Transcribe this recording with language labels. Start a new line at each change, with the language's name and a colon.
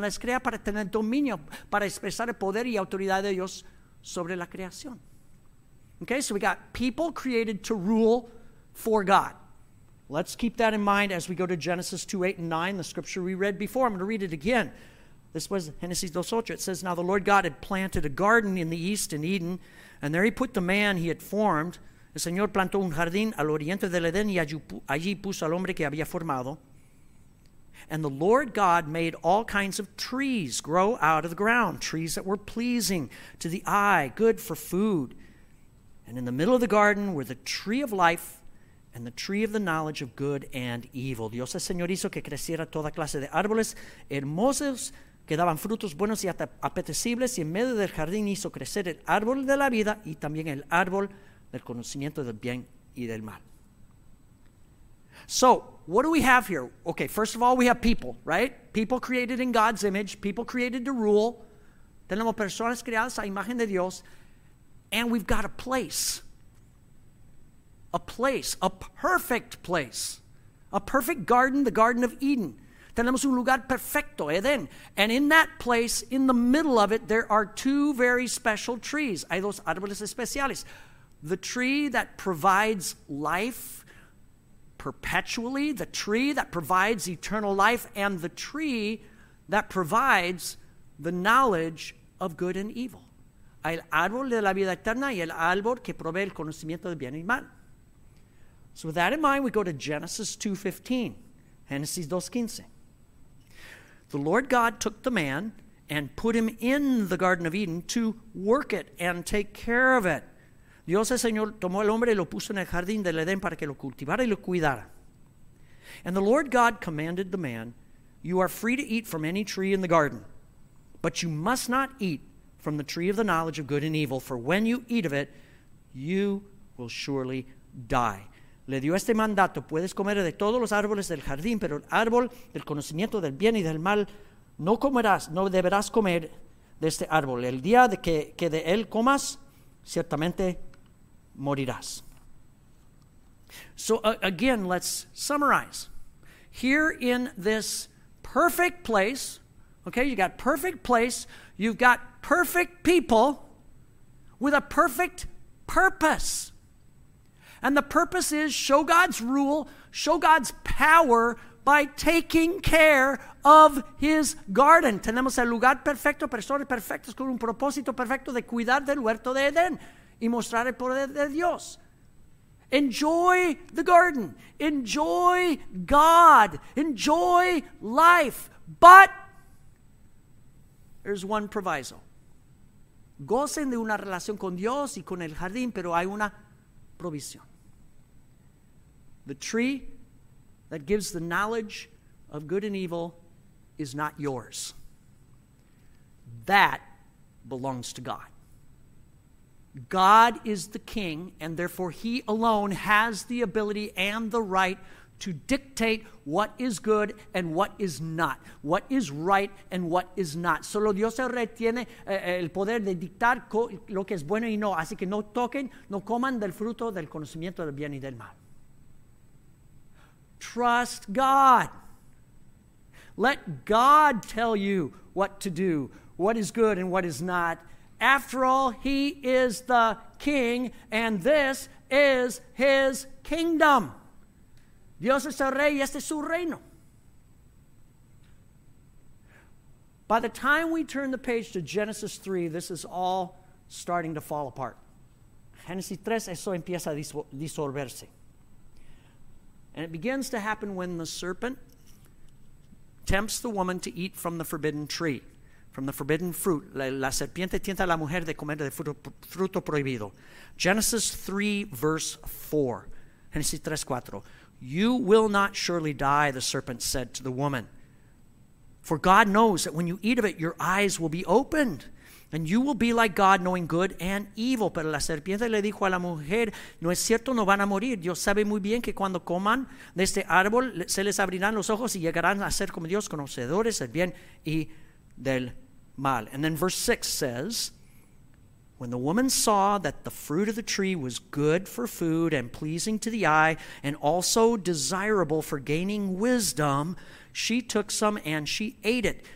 Spanish: Les crea para tener dominio, para expresar el poder y autoridad de Dios sobre la creación.
English: Okay, so we got people created to rule for God. Let's keep that in mind as we go to Genesis 2:8 and 9, the scripture we read before. I'm going to read it again. This was Genesis 2:8. It says, now the Lord God had planted a garden in the east in Eden, and there he put the man he had formed.
Spanish: El Señor plantó un jardín al oriente del Edén y allí puso al hombre que había formado.
English: And the Lord God made all kinds of trees grow out of the ground, trees that were pleasing to the eye, good for food. And in the middle of the garden were the tree of life and the tree of the knowledge of good and evil.
Spanish: Dios el Señor hizo que creciera toda clase de árboles hermosos que daban frutos buenos y apetecibles, y en medio del jardín hizo crecer el árbol de la vida y también el árbol del conocimiento del bien y del mal.
English: So, what do we have here? Okay, first of all, we have people, right? People created in God's image, people created to rule.
Spanish: Tenemos personas creadas a imagen de Dios.
English: And we've got a place. A place, a perfect place. A perfect garden, the Garden of Eden.
Spanish: Tenemos un lugar perfecto, Eden.
English: And in that place, in the middle of it, there are two very special trees.
Spanish: Hay dos árboles especiales.
English: The tree that provides life perpetually, the tree that provides eternal life, and the tree that provides the knowledge of good and evil.
Spanish: El árbol de la vida eterna y el árbol que provee el conocimiento del bien y mal.
English: So with that in mind, we go to Genesis 2:15, Genesis 2:15. The Lord God took the man and put him in the Garden of Eden to work it and take care of it. Dios el Señor tomó al hombre y lo puso en el jardín del Edén para que lo cultivara y lo cuidara. And the Lord God commanded the man, "You are free to eat from any tree in the garden, but you must not eat from the tree of the knowledge of good and evil, for when you eat of it, you will surely die."
Spanish: Le dio este mandato, puedes comer de todos los árboles del jardín, pero el árbol del conocimiento del bien y del mal no comerás, no deberás comer de este árbol. El día de que de él comas, ciertamente morirás.
English: So again, let's summarize. Here in this perfect place, okay, you got perfect place, you've got perfect people with a perfect purpose. And the purpose is show God's rule, show God's power by taking care of his garden.
Spanish: Tenemos el lugar perfecto, personas perfectas con un propósito perfecto de cuidar del huerto de Edén y mostrar el poder de Dios.
English: Enjoy the garden. Enjoy God. Enjoy life. But there's one proviso.
Spanish: Gocen de una relación con Dios y con el jardín, pero hay una provisión.
English: The tree that gives the knowledge of good and evil is not yours. That belongs to God. God is the king, and therefore he alone has the ability and the right to dictate what is good and what is not, what is right and what is not.
Spanish: Solo Dios el rey tiene el poder de dictar lo que es bueno y no. Así que no toquen, no coman del fruto del conocimiento del bien y del mal.
English: Trust God. Let God tell you what to do, what is good and what is not. After all, he is the king, and this is his kingdom.
Spanish: Dios es el rey y este es su reino.
English: By the time we turn the page to Genesis 3, this is all starting to fall apart. Genesis 3,
Spanish: eso empieza a disolverse.
English: And it begins to happen when the serpent tempts the woman to eat from the forbidden tree, from the forbidden fruit.
Spanish: La serpiente tienta a la mujer de comer de fruto prohibido.
English: Genesis 3, verse 4. Genesis 3, 4. "You will not surely die," the serpent said to the woman. "For God knows that when you eat of it, your eyes will be opened, and you will be like God, knowing good and evil."
Spanish: Pero la serpiente le dijo a la mujer, "No es cierto, no van a morir. Dios sabe muy bien que cuando coman de este árbol, se les abrirán los ojos y llegarán a ser como Dios, conocedores del bien y del mal."
English: And then verse 6 says, "When the woman saw that the fruit of the tree was good for food and pleasing to the eye and also desirable for gaining wisdom, she took some and she ate it.